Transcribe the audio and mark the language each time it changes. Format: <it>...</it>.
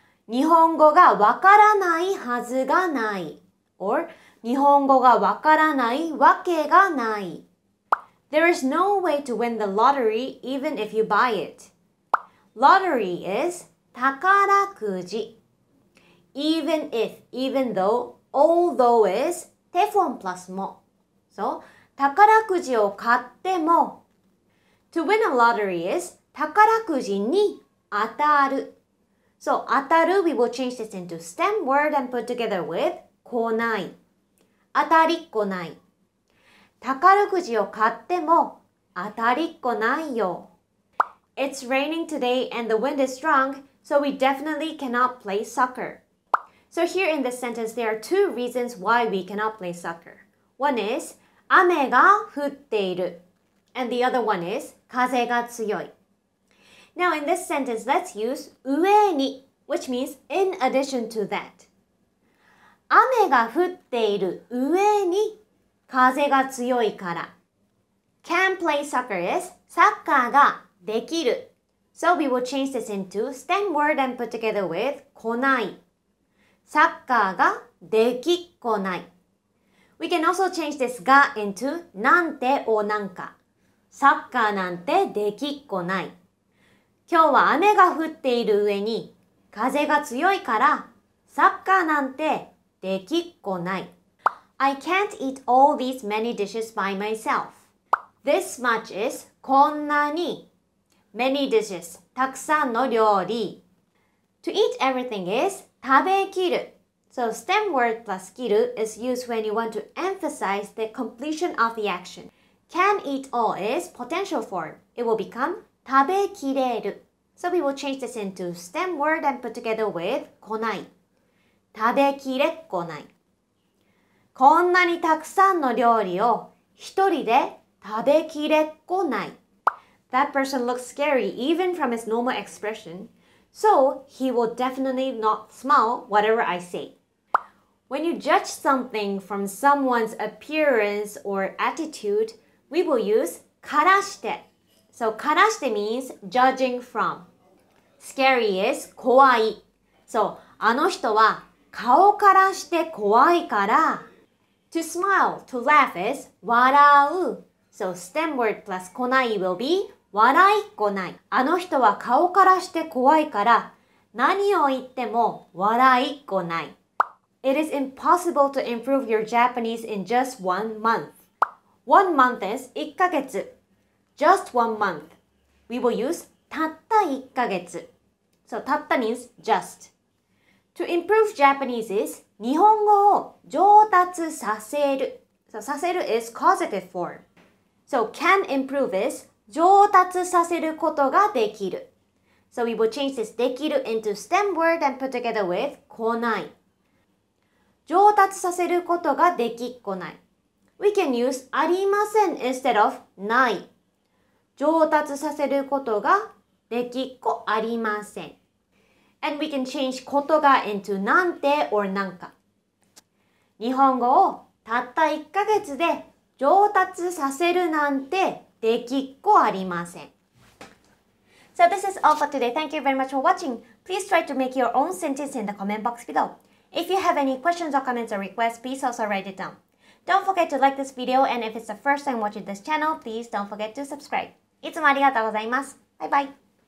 <ja>日本語がわからないはずがない. Or,日本語がわからないわけがない。</ja> <en>There is no way to win the lottery even if you buy it. Lottery is</en> <ja>宝くじ。</ja> <en>Even if, even though, although is</en> <ja>テフォンプラスも。 So, 宝くじを買っても。</ja> <en>To win a lottery is</en> <ja>宝くじに当たる。</ja> <en>So,</en> <ja>当たる</ja> <en>we will change this into stem word and put together with</en> <ja>こない。当たりっこない。宝くじを買っても当たりっこないよ。</ja> <en>It's raining today and the wind is strong, so we definitely cannot play soccer. So here in this sentence, there are two reasons why we cannot play soccer. One is</en> <ja>雨が降っている。</ja> <en>And the other one is</en> <ja>風が強い。</ja> <en>Now in this sentence, let's use</en> <ja>上に,</ja> <en>which means in addition to that.</en> <ja>雨が降っている上に風が強いから。</ja> <en>Can play soccer is</en> <ja>サッカーができる。</ja> <en>So we will change this into stem word and put together with</en> <ja>こない。サッカーができっこない。</ja> <en>We can also change this が into</en> <ja>なんてをなんか。サッカーなんてできっこない。今日は雨が降っている上に風が強いからサッカーなんてできっこない。</ja> <en>I can't eat all these many dishes by myself. This much is</en> <ja>こんなに</ja> <en>Many dishes</en> <ja>たくさんの料理</ja> <en>To eat everything is</en> <ja>食べきる</ja> <en>So stem word plus</en> <ja>きる</ja> <en>is used when you want to emphasize the completion of the action Can eat all is potential form It will become</en> <ja>食べきれる</ja> <en>So we will change this into stem word and put together with</en> <ja>こない食べきれっこないこんなにたくさんの料理を一人で食べきれっこない</ja> <en>That person looks scary even from his normal expression So he will definitely not smile whatever I say When you judge something from someone's appearance or attitude We will use</en> <ja>からして</ja> <en>So</en> <ja>からして</ja> <en>means judging from Scary is</en> <ja>怖い So あの人は顔からして怖いから</ja> <en>To smile, to laugh is</en> <ja>笑う</ja> <en>So stem word plus こない will be</en> <ja>笑いっこないあの人は顔からして怖いから何を言っても笑いっこない</ja> <en>It is impossible to improve your Japanese in just 1 month 1 month is</en> <ja>1ヶ月</ja> <en>Just 1 month We will use</en> <ja>たった1ヶ月</ja> <en>So</en> <ja>たった</ja> <en>means just To improve Japanese is</en> <ja>日本語を上達させる</ja> <en>So</en> <ja>させる</ja> <en>is causative form So can improve is</en> <ja>上達させることができる</ja> <en>So we will change this できる into stem word and put together with</en> <ja>こない上達させることができっこない</ja> <en>We can use</en> <ja>ありません</ja> <en>instead of</en> <ja>ない上達させることができっこありません</ja> <en>And we can change</en> <ja>ことが</ja> <en>into</en> <ja>なんて</ja> <en>or</en> <ja>なんか。日本語をたった1ヶ月で上達させるなんてできっこありません。</ja> <en>So this is all for today. Thank you very much for watching. Please try to make your own sentence in the comment box below. If you have any questions or comments or requests, please also write it down. Don't forget to like this video and if it's the first time watching this channel, please don't forget to subscribe.</en> <ja>いつもありがとうございます。バイバイ。</ja>